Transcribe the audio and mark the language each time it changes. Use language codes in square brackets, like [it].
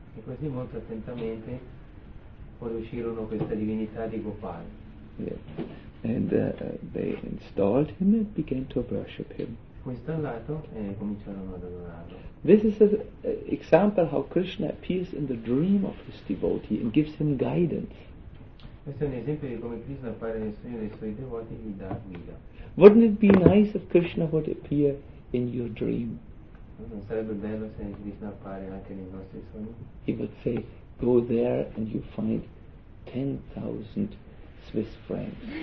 [it] E così molto attentamente riuscirono questa divinità di Gopal. [en] Yeah. And they installed him and began to worship him. [it] Fu installato e cominciarono ad adorarlo. [en] This is an example how Krishna appears in the dream of his devotee and gives him guidance. [it] Questo è un esempio di come Krishna appare nel sogno dei suoi devoti e gli dà guida. [en] Wouldn't it be nice if Krishna would appear in your dream? [it] Non sarebbe bello se Krishna appare anche nei nostri sogni? [en] He would say, go there and you find 10,000 Swiss francs.